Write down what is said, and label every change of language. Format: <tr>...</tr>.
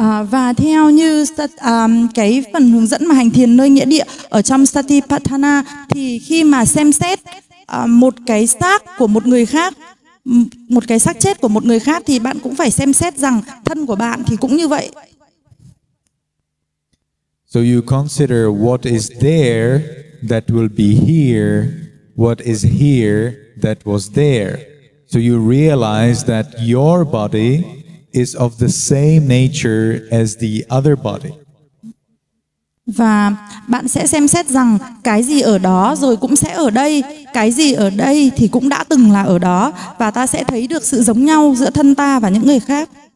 <vi>Và theo như cái phần hướng dẫn mà hành thiền nơi nghĩa địa ở trong Satipatthana thì khi mà xem xét một cái xác của một người khác, một cái xác chết của một người khác thì bạn cũng phải xem xét rằng thân của bạn thì cũng như vậy.</vi> <en>So you consider what is there that will be here, what is here that was there. So you realize that your body is of the same nature as the other body.</en> <vi>Và bạn sẽ xem xét rằng cái gì ở đó rồi cũng sẽ ở đây, cái gì ở đây thì cũng đã từng là ở đó, và ta sẽ thấy được sự giống nhau giữa thân ta và những người khác.</vi>